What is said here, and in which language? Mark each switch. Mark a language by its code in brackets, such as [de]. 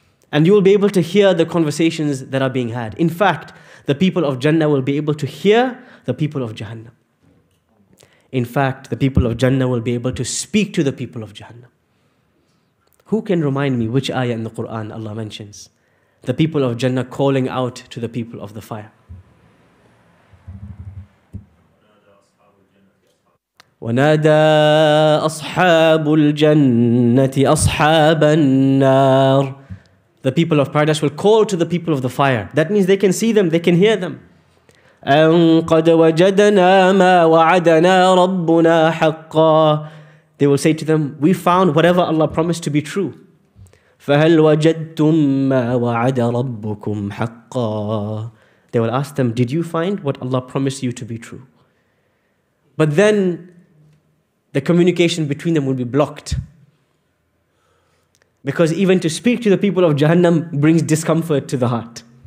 [en] And you will be able to hear the conversations that are being had. In fact, the people of Jannah will be able to hear the people of Jahannam. In fact, the people of Jannah will be able to speak to the people of Jahannam. Who can remind me which ayah in the Quran Allah mentions? The people of Jannah calling out to the people of the fire. [ar] ونادى أصحاب الجنة أصحاب النار. [en] The people of paradise will call to the people of the fire. That means they can see them, they can hear them. [ar] أن قد وجدنا ما وعدنا ربنا حقا. [en] They will say to them, we found whatever Allah promised to be true. [ar] فهل وجدتم ما وعد ربكم حقا. [en] They will ask them, did you find what Allah promised you to be true? But then the communication between them will be blocked. Because even to speak to the people of Jahannam brings discomfort to the heart.